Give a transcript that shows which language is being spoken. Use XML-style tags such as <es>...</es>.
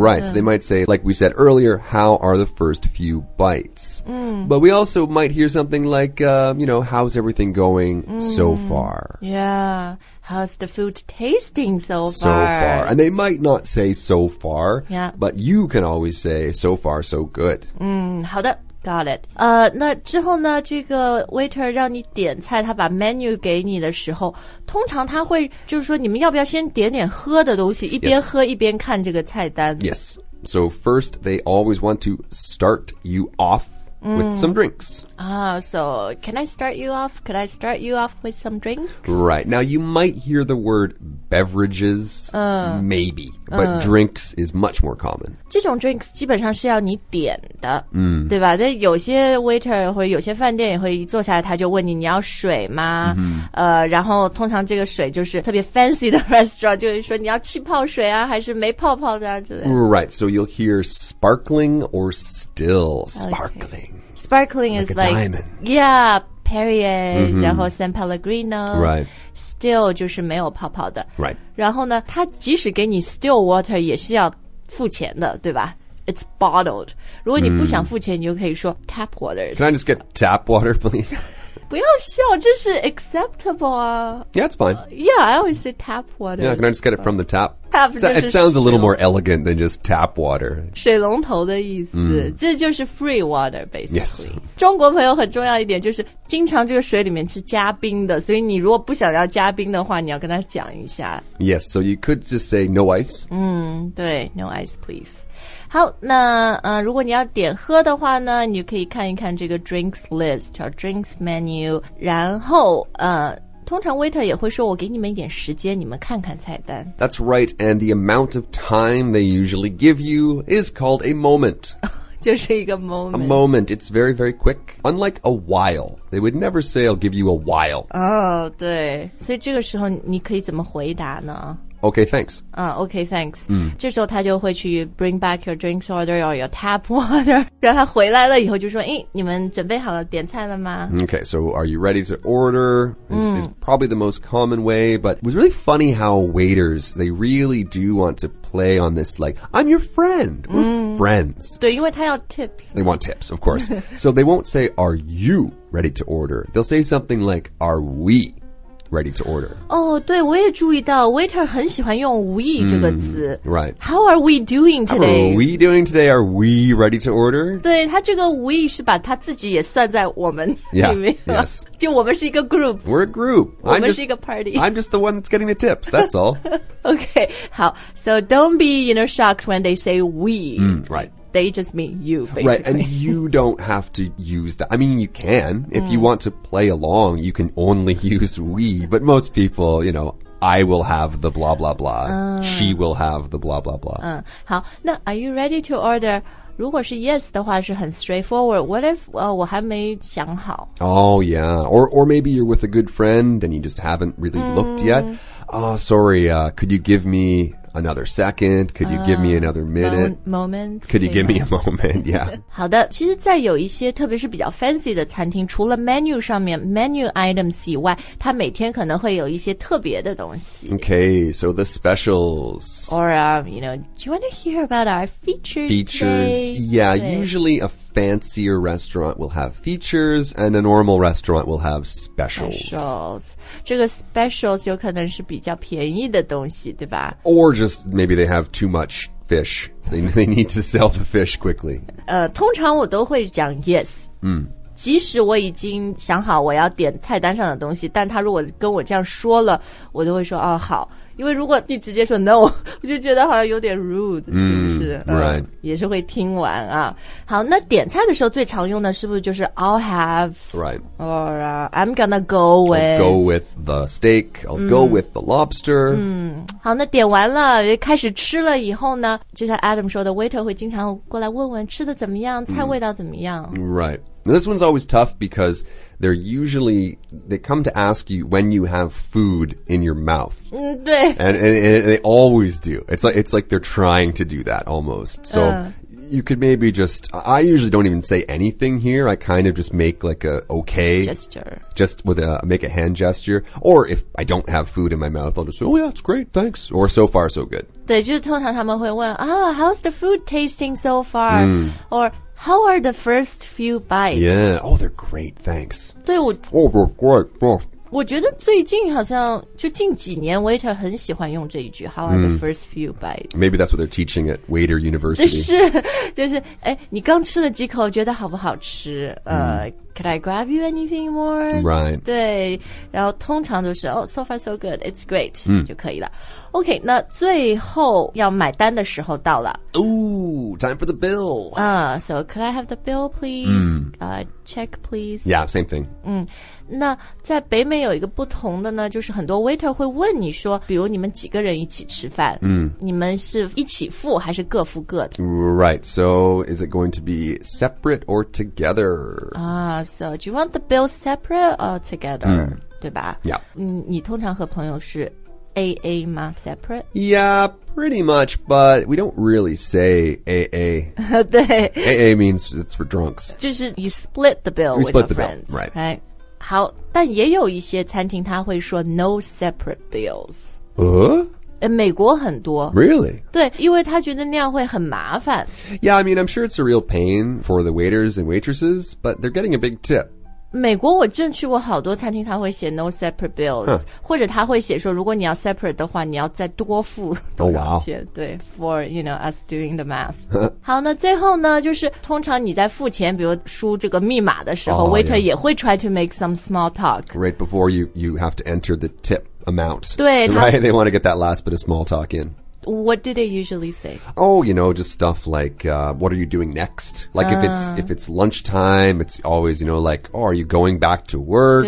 <en>Right, so they might say, like we said earlier, how are the first few bites? But we also might hear something like, you know, how's everything going so far? Yeah, how's the food tasting so far? So far. And they might not say so far, but you can always say so far, so good.</en> <zh>好的。</zh> <en>Got it.</en> <zh>那之后呢，这个 waiter 让你点菜，他把 menu 给你的时候，通常他会就是说，你们要不要先点点喝的东西，一边喝一边看这个菜单。</zh> <en>Yes. So first, they always want to start you off with some drinks. So can I start you off? Could I start you off with some drinks? Right. Now, you might hear the word beverages, maybe, but drinks is much more common.</en> <zh>这种 drinks 基本上是要你点的，对吧？那有些 waiter 或有些饭店也会一坐下来，他就问你，你要水吗？然后通常这个水就是特别 fancy 的 restaurant, 就是说你要气泡水啊，还是没泡泡的啊之类的。</zh> <en>Right, so you'll hear sparkling or still sparkling. Okay. Sparkling is like a diamond. Yeah, Perrier,</en> <zh>然后</zh> <en>San Pellegrino. Right.</en> <zh>Still 就是没有泡泡的</zh> <en>Right</en> <zh>然后呢他即使给你 still water 也是要付钱的对吧</zh> <en>It's bottled</en> <zh>如果你不想付钱你就可以说 tap water</zh> <en>Can I just get tap water please?</en> <zh>不要笑这是 acceptable 啊</zh> <en>Yeah it's fine Yeah I always say tap water Yeah can I just get it from the tap?</en> <zh>Tap 就是</zh> <en>It sounds a little more elegant than just tap water</en> <zh>水龙头的意思、这就是 free water basically</zh> <en>Yes</en> <zh>中国朋友很重要一点就是经常这个水里面是加冰的所以你如果不想要加冰的话你要跟他讲一下</zh> <en>Yes, so you could just say no ice</en> <zh>对</zh> <en>no ice please</en> <zh>好那、如果你要点喝的话呢你可以看一看这个</zh> <en>drinks list or drinks menu</en> <zh>然后、通常 waiter 也会说我给你们一点时间你们看看菜单</zh> <en>That's right, and the amount of time they usually give you is called a moment</en> <zh>就是一个 moment</zh> <en>A moment, it's very, very quick Unlike a while, they would never say I'll give you a while</en> <zh>对所以这个时候你可以怎么回答呢</zh> <en>Okay, thanks Okay, thanks</en> <zh>这时候他就会去</zh> <en>bring back your drinks order or your tap water</en> <zh>然后他回来了以后就说你们准备好了点菜了吗</zh> <en>Okay, so are you ready to order? It's probably the most common way But it was really funny how waiters, they really do want to play on this like I'm your friend, we'reFriends.</en> <zh>对，因为他要 tips.</zh> <en>They want tips, of course. So they won't say, are you ready to order? They'll say something like, are we ready to order?</en> <zh>Oh, 对，我也注意到 waiter 很喜欢用 we 这个词。</zh> <en>Right. How are we doing today? How are we doing today? Are we ready to order?</en> <zh>对，他这个 we 是把他自己也算在我们里面。</zh> <en>Yeah, yes.</en> <zh>就我们是一个 group.</zh> <en>We're a group.</en> <zh>我们是一个 party.</zh> <en>I'm just the one that's getting the tips, that's all. Okay,</en> <zh>好</zh> <en>So don't be, you know, shocked when they say we. Right. They just mean you, basically. Right, and you don't have to use that. I mean, you can. If you want to play along, you can only use we. But most people, you know, I will have the blah, blah, blah. She will have the blah, blah, blah.</en> <zh>好，那</zh> <en>are you ready to order...</en> <zh>如果是 yes 的话是很 straightforward.</zh> <en>What if,</en> <zh>我还没想好。</zh> <en>Oh, yeah. Or maybe you're with a good friend and you just haven't really looked yet. Oh, sorry, could you give me another second? Could you give me another minute? Moment. Could you give me a moment? Yeah.</en> <zh>好的。其实在有一些特别是比较 fancy 的餐厅除了 menu 上面 menu items 以外它每天可能会有一些特别的东西。</zh> <en>Okay, so the specials. Or, you know, do you want to hear about our features? Features. Yeah, usually a fancier restaurant will have features and a normal restaurant will have specials.</en> <zh>这个 specials 有可能是比较便宜的东西对吧</zh> <en>Or just maybe they have too much fish. They need to sell the fish quickly.</en> <zh>通常我都会讲 yes. 即使我已经想好我要点菜单上的东西但他如果跟我这样说了我都会说哦好因为如果你直接说 no, 我就觉得好像有点 rude, 是不是</zh> <en>right.</en> <zh>也是会听完啊。好那点菜的时候最常用的是不是就是</zh> <en>I'll have, right. or I'm gonna go with. I'll go with the steak, I'll go with the lobster.</en> <zh>好那点完了开始吃了以后呢就像 Adam 说的 waiter 会经常过来问问吃的怎么样菜味道怎么样。</zh> <en>Right. Now, this one's always tough because they're usually, they come to ask you when you have food in your mouth. And they always do. It's like they're trying to do that almost. So you could maybe just, I usually don't even say anything here. I kind of just make like a okay gesture. Just with a, make a hand gesture. Or if I don't have food in my mouth, I'll just say, oh yeah, it's great, thanks. Or so far, so good.</en> <zh>对，就是通常他们会问，啊、</zh> <en>oh, how's the food tasting so far?、Mm. Or,How are the first few bites? Yeah. Oh, they're great. Thanks.</en> <zh>对我</zh> <en>Oh, they're great. Yeah.</en> <zh>我觉得最近好像就近几年 waiter 很喜欢用这一句</zh> <en>How are the first few bites? Maybe that's what they're teaching at Waiter University.</en> <zh>就是哎，你刚吃了几口，觉得好不好吃？</zh> <en>Could I grab you anything more? Right.</en> <zh>对，然后通常都是</zh> <en>Oh, so far so good. It's great.</en> <zh>就可以了。 OK, 那最后要买单的时候到了。</zh> <en>Ooh, time for the bill. So could I have the bill, please? Check, please. Yeah, same thing.</en> <zh>那在北美有一个不同的呢，就是很多 waiter 会问你说，比如你们几个人一起吃饭，你们是一起付还是各付各的？</zh> <en>Right, so is it going to be separate or together? So do you want the bill separate or together?</en> <zh>对吧？</zh> <en>Yeah.</en> <zh>你通常和朋友是AA 吗 separate?</zh> <en>Yeah, pretty much, but we don't really say AA.</en> <zh>对</zh> <en>AA means it's for drunks.</en> <zh>就是</zh> <en>you split the bill with your friends. Bill, right. Okay.</en> <zh>好但也有一些餐厅他会说 no separate bills. 美国很多</zh> <en>Really?</en> <zh>对因为他觉得那样会很麻烦</zh> <en>Yeah, I mean, I'm sure it's a real pain for the waiters and waitresses, but they're getting a big tip.</en> <zh>美国我正去过好多餐厅他会写 no separate bills、huh. 或者他会写说如果你要 separate 的话你要再多付多少钱、</zh> <en>oh, wow.</en> <zh>对</zh> <en>for you know us doing the math</en> <zh>好那最后呢就是通常你在付钱比如输这个密码的时候、</zh> <en>oh, waiter、 yeah.</en> <zh>也会</zh> <en>try to make some small talk right before you have to enter the tip amount</en> <zh>对</zh> <en>right they want to get that last bit of small talk in What do they usually say? Oh, you know, just stuff like,what are you doing next? Like,if it's lunchtime, it's always, you know, like, oh, are you going back to work?</en>